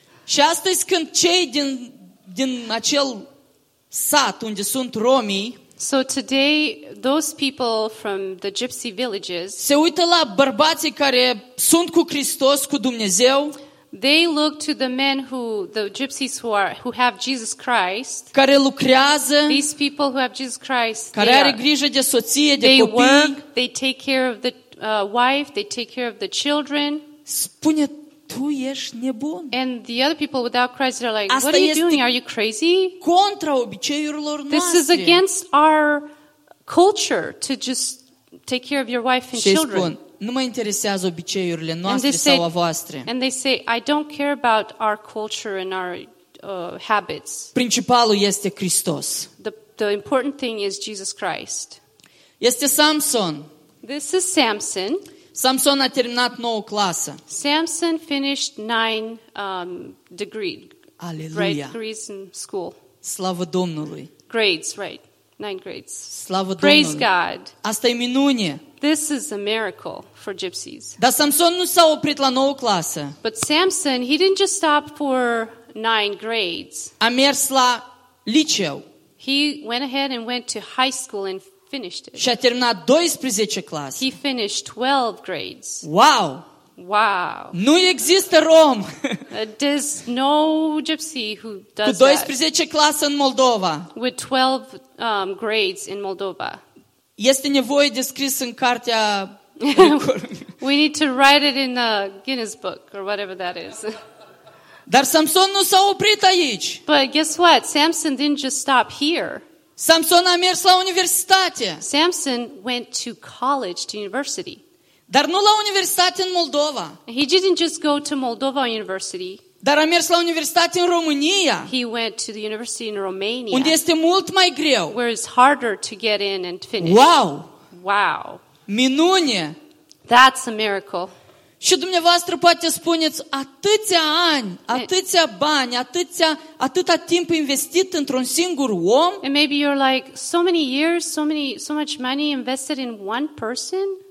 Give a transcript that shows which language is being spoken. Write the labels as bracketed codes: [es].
[ro] Și astăzi când cei din acel sat unde sunt romii, [en] so today those people from the gypsy villages, [ro] se uită la bărbații care sunt cu Hristos, cu Dumnezeu. [en] They look to the men who, the gypsies who have Jesus Christ. [ro] Care lucrează. [en] These people who have Jesus Christ. [ro] Care are grijă de soție, de copii. [en] They work, they take care of the wife, they take care of the children. [ro] Spune, tu ești nebun. [en] And the other people without Christ are like, [ro] asta [en] what are you doing? Are you crazy? [ro] Contra obiceiurilor noastre. [en] This is against our culture to just take care of your wife and children. [ro] Nu mă interesează obiceiurile noastre sau a voastre. [en] And they say, I don't care about our culture and our habits. [ro] Principalul este Hristos. [en] The important thing is Jesus Christ. [ro] Este Samson. [en] This is Samson. [ro] Samson a terminat 9 clasă. [en] Samson finished 9 degrees. [ro] Aleluia. [en] Degrees in school. [ro] Slavă Domnului. [en] Grades, right. 9 grades. [ro] Slavă Domnului. [en] Praise God. [ro] Asta e minune. [en] This is a miracle for gypsies. [ro] Dar Samson nu s-a oprit la 9 clasă. [en] But Samson, he didn't just stop for 9 grades. [ro] A mers la liceu. [en] He went ahead and went to high school and finished it. [ro] Și a terminat 12 clasă. [en] He finished 12 grades. Wow! Wow! [ro] Nu există rom. [en] There's no gypsy who does that. [ro] Cu 12 clasă în Moldova. [en] With 12 grades in Moldova. [ro] Este nevoie de scris în cartea. [en] We need to write it in the Guinness book or whatever that is. [ro] Dar Samson nu s-a oprit aici. [en] But guess what? Samson didn't just stop here. [ro] Samson a mers la universitate. [en] Samson went to college, to university. [ro] Dar nu la universitate în Moldova. [en] He didn't just go to Moldova University. [ro] Dar a mers la universitate în România. [en] He went to the university in Romania. [ro] Unde este mult mai greu. [en] Where it's harder to get in and finish. Wow! Wow! [ro] Minune! [en] That's a miracle. [ro] Și dumneavoastră poate spuneți, atâția ani, atâția bani, atâta timp investit într-un singur om. [en] And maybe you're like, so many years, so much money invested in one person.